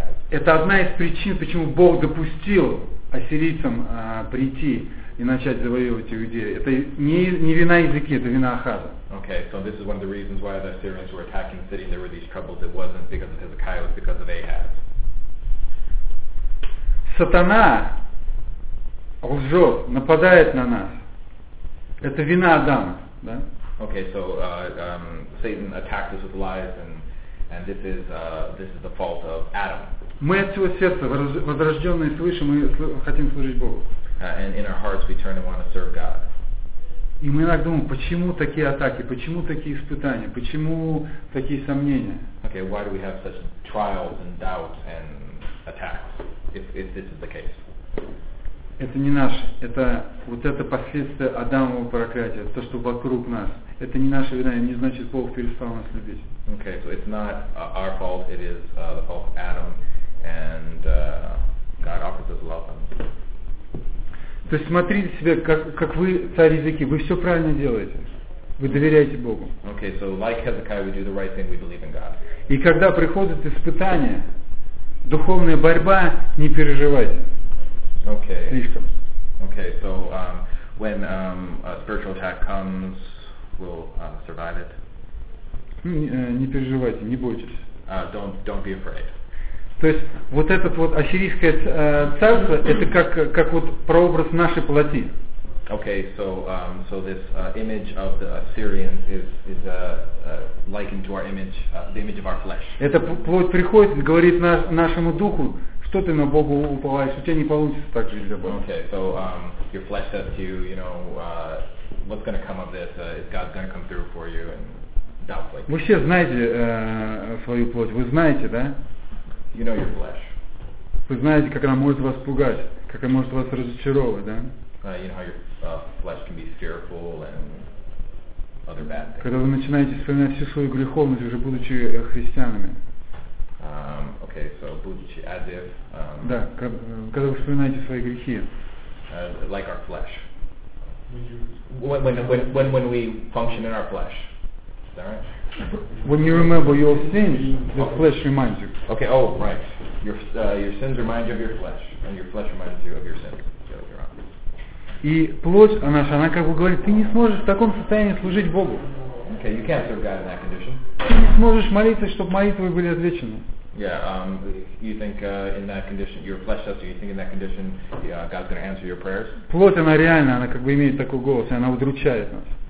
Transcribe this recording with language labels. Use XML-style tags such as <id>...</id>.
<ru>Это одна из причин, почему Бог допустил ассирийцам прийти и начать завоевывать Иудею. Это не вина Езекии, это вина Ахаза.</ru> <en>Okay, so this is one of the reasons why the Assyrians were attacking the city. There were these troubles. It wasn't because of Hezekiah, it was because of Ahab.</en> <ru>Сатана лжет, нападает на нас. Это вина Адама, да?</ru> <en>Okay, so Satan attacked us with lies and this is the fault of Adam.</en> <ru>Мы от всего сердца, возрожденные свыше, мы хотим служить Богу.</ru> <en>And in our hearts we turn and want to serve God.</en> <ru>И мы иногда думаем, почему такие атаки, почему такие испытания, почему такие сомнения?</ru> <en>Okay, why do we have such trials and doubts and attacks if this is the case?</en> <ru>Это не наш, это вот это последствия Адамового проклятия, то, что вокруг нас. Это не наша вина, не значит, Бог перестал нас любить.</ru> <en>Okay, so it's not our fault, it is the fault of Adam, and God offers us love.</en> <ru>То есть смотрите себя, как вы, царь Езекии, вы все правильно делаете. Вы доверяете Богу.</ru> <en>Okay, so like Hezekiah, we do the right thing, we believe in God.</en> <ru>И когда приходит испытание, духовная борьба, не переживайте.</ru> <en>Okay.</en> <ru>Слишком.</ru> <en>Okay, so when a spiritual attack comes, we'll survive it.</en> <ru>Не переживайте, не бойтесь.</ru> <en>Don't be afraid.</en> <ru>То есть вот этот вот ассирийское царство, это как вот прообраз нашей плоти.</ru> <en>Okay, so this image of the Assyrians is likened to our image, the image of our flesh.</en> <ru>Это плоть приходит и говорит нашему духу, что ты на Бога уповаешь, у тебя не получится так жить для Бога.</ru> <en>Okay, so your flesh says to you, you know, what's going to come of this? Is God going to come through for you? And doubt like.</en> <ru>Вы все знаете свою плоть, вы знаете, да?</ru> <en>You know your flesh.</en> <ru>Вы знаете, как она может вас пугать, как она может вас разочаровывать, да?</ru> <en>You know how your flesh can be fearful and other bad things.</en> <ru>Когда вы начинаете вспоминать всю свою греховность, уже будучи христианами.</ru> <en>Okay, so</en> <ru>будучи</ru> <en>as if.</en> <ru>Да, когда вы вспоминаете свои грехи.</ru> <en>Like our flesh. When we function in our flesh. Is that right? When you remember your sins, the flesh reminds you. Okay. Oh, right. Your sins remind you of your flesh, and your flesh reminds you of your sins.</en> <ru>И плоть она как бы говорит, ты не сможешь в таком состоянии служить Богу.</ru> <en>Okay, you can't serve God in that condition.</en> <ru>Ты не сможешь молиться, чтобы молитвы были отвечены.</ru> <en>Yeah, you think in that condition, your flesh says, you think in that condition, God's going to answer your prayers?</en> <ru>Плоть она реально, она как бы имеет такой голос, и она удручает нас.</ru>